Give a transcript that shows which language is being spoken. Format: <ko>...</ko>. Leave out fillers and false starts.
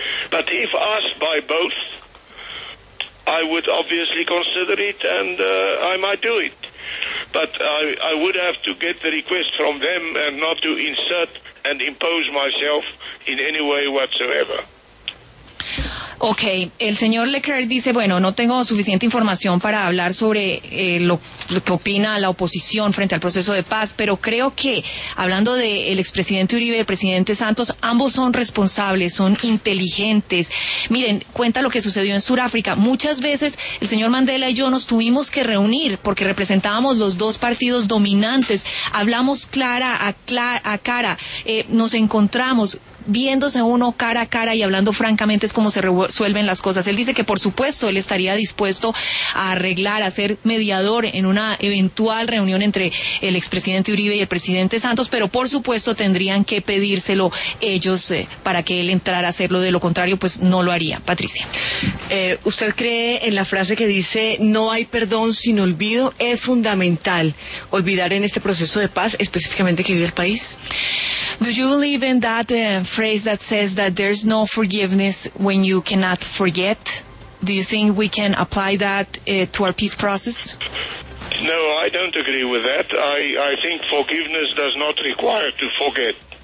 <en>But if asked by both, I would obviously consider it, and I might do it. But I would have to get the request from them and not to insert and impose myself in any way whatsoever.</en> <es>Okay, el señor Leclerc dice, bueno, no tengo suficiente información para hablar sobre lo que opina la oposición frente al proceso de paz, pero creo que, hablando del expresidente Uribe y el presidente Santos, ambos son responsables, son inteligentes. Miren, cuenta lo que sucedió en Sudáfrica. Muchas veces el señor Mandela y yo nos tuvimos que reunir porque representábamos los dos partidos dominantes. Hablamos cara a cara, nos encontramos viéndose uno cara a cara y hablando francamente, es como se resuelven las cosas. Él dice que, por supuesto, él estaría dispuesto a arreglar, a ser mediador en una eventual reunión entre el expresidente Uribe y el presidente Santos, pero por supuesto tendrían que pedírselo ellos para que él entrara a hacerlo. De lo contrario, pues no lo haría. Patricia. ¿Usted cree en la frase que dice no hay perdón sin olvido? ¿Es fundamental olvidar en este proceso de paz específicamente que vive el país?</es> <en>Do you believe in that phrase that says that there's no forgiveness when you cannot forget? Do you think we can apply that to our peace process? No, I don't agree with that. I think forgiveness does not require to forget.</en>